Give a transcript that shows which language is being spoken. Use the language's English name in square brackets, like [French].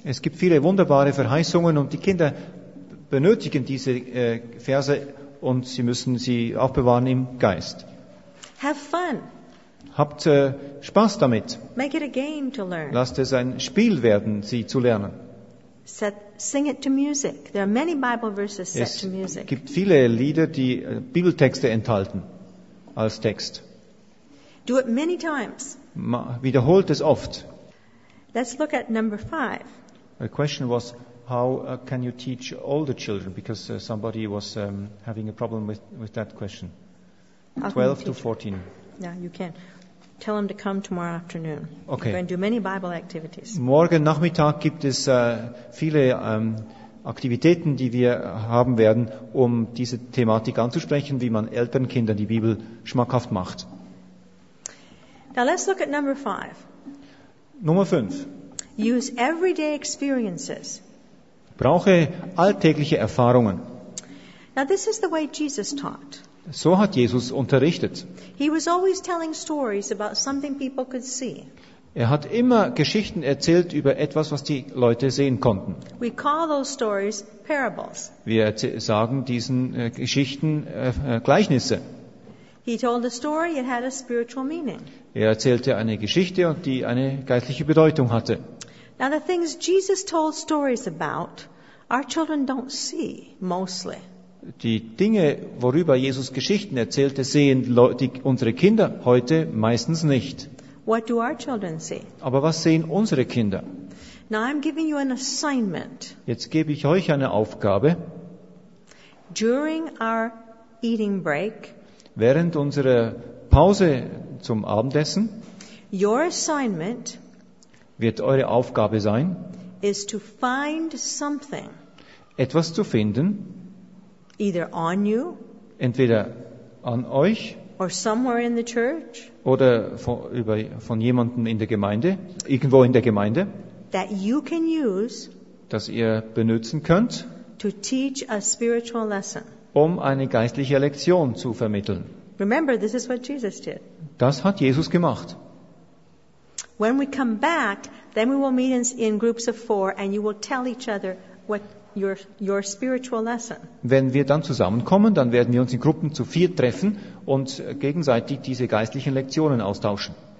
[German] Es gibt viele wunderbare Verheißungen und die Kinder benötigen diese Verse und sie müssen sie auch bewahren im Geist. [English] Have fun. [German] Habt Spaß damit. [English] Make it a game to learn. [German] Lasst es ein Spiel werden, sie zu lernen. [English] Sing it to music. There are many Bible verses set to music. [German] Es gibt viele Lieder, die Bibeltexte enthalten. Als Text. [English] Do it many times. [German] Wiederholt es oft. [English] Let's look at number 5. The question was, how can you teach older children? Because somebody was having a problem with that question. 12 to 14. No, you can. Tell them to come tomorrow afternoon. Okay. We're going to do many Bible activities. [German] Morgen Nachmittag gibt es viele Aktivitäten, die wir haben werden, um diese Thematik anzusprechen, wie man älteren Kindern die Bibel schmackhaft macht. [English] Now let's look at number 5. [German] Nummer 5. [English] Use everyday experiences. [German] Brauche alltägliche Erfahrungen. [English] Now this is the way Jesus taught. [German] So hat Jesus unterrichtet. [English] He was always telling stories about something people could see. [German] Er hat immer Geschichten erzählt über etwas, was die Leute sehen konnten. [English] We call those stories parables. [German] Wir sagen diesen Geschichten Gleichnisse. [English] He told a story, it had a spiritual meaning. [German] Er erzählte eine Geschichte, die eine geistliche Bedeutung hatte. [English] Now the things Jesus told stories about, our children don't see mostly. [German] Die Dinge, worüber Jesus Geschichten erzählte, sehen unsere Kinder heute meistens nicht. [English] What do our children see? [German] Aber was sehen unsere Kinder? [English] Now I'm giving you an assignment. [German] Jetzt gebe ich euch eine Aufgabe. [English] During our eating break, [German] während unserer Pause zum Abendessen, [English] your assignment [German] wird eure Aufgabe sein, [English] is to find something, [German] etwas zu finden, [English] either on you, [German] entweder an euch [English] or somewhere in the church, [German] oder von jemandem in der Gemeinde, irgendwo in der Gemeinde, [English] that you can use, [German] das ihr benutzen könnt, [English] to teach a spiritual lesson, [German] um eine geistliche Lektion zu vermitteln. [English] Remember, this is what Jesus did. [German] Das hat Jesus gemacht. [English] When we come back, then we will meet in groups of four and you will tell each other what your spiritual lesson. [German] Wenn wir dann zusammenkommen, dann werden wir uns in Gruppen zu vier treffen und gegenseitig diese geistlichen Lektionen austauschen.